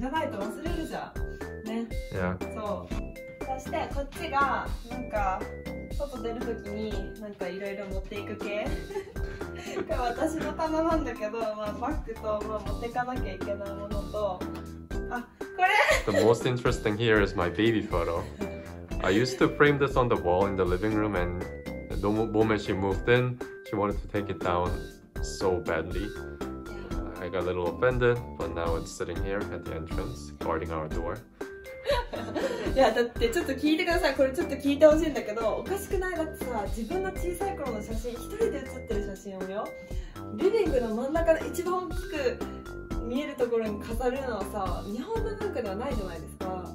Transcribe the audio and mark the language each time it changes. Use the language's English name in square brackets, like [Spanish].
[Japanese] じゃないと忘れるじゃんね。いや、そう。そしてこっちがなんか外出るときになんかいろいろ持っていく系これ私の棚なんだけど、まあ、バッグと、まあ、持ってかなきゃいけないものと、あ、これ [English] The most interesting here is my baby photo. I used to frame this on the wall in the living room, andthe moment she moved in, she wanted to take it down so badly. I got a little offended, but now it's sitting here at the entrance, guarding our door. [Japanese] いや、だってちょっと聞いてください。これちょっと聞いてほしいんだけど、おかしくない？だってさ、自分の小さい頃の写真、一人で写ってる写真をよ、リビングの真ん中で一番大きく見えるところに飾るのはさ、日本の文化ではないじゃないですか。